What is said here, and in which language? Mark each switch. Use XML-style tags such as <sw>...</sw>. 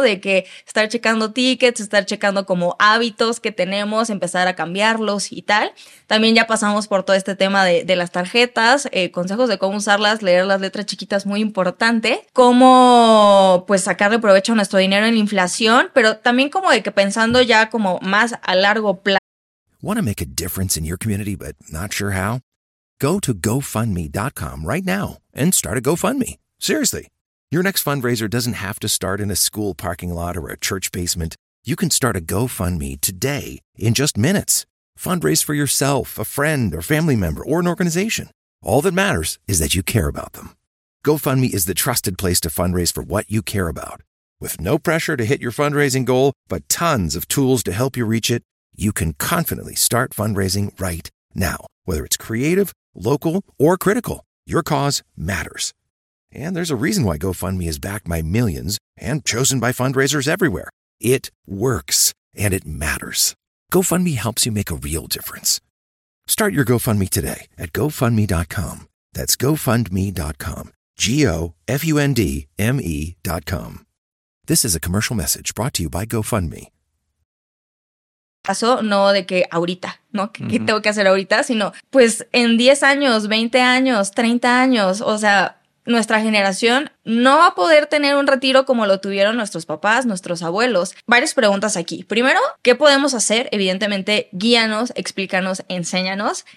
<es>De que estar checando tickets, estar checando como hábitos que tenemos, empezar a cambiarlos y tal. También ya pasamos por todo este tema de las tarjetas, consejos de cómo usarlas, leer las letras chiquitas, muy importante. Cómo pues sacarle provecho a nuestro dinero en la inflación, pero también como de que pensando ya como más a largo plazo.</es> <en>Want to make a difference in your community but not sure how? Go to GoFundMe.com right now and start a GoFundMe. Seriously, your next fundraiser doesn't have to start in a school parking lot or a church basement. You can start a GoFundMe today in just minutes. Fundraise for yourself, a friend, or family member, or an organization. All that matters is that you care about them. GoFundMe is the trusted place to fundraise for what you care about. With no pressure to hit your fundraising goal, but tons of tools to help you reach it, you can confidently start fundraising right now. Whether it's creative, local, or critical, your cause matters. And there's a reason why GoFundMe is backed by millions and chosen by fundraisers everywhere. It works, and it matters. GoFundMe helps you make a real difference. Start your GoFundMe today at GoFundMe.com. That's GoFundMe.com. GoFundMe.com. This is a commercial message brought to you by GoFundMe.</en> <es>Pasó no de que ahorita, ¿no? ¿Qué tengo que hacer ahorita? Sino pues en 10 años, 20 años, 30 años, o sea, nuestra generación no va a poder tener un retiro como lo tuvieron nuestros papás, nuestros abuelos. Varias preguntas aquí. Primero, ¿qué podemos hacer? Evidentemente, guíanos, explícanos, enséñanos.</es>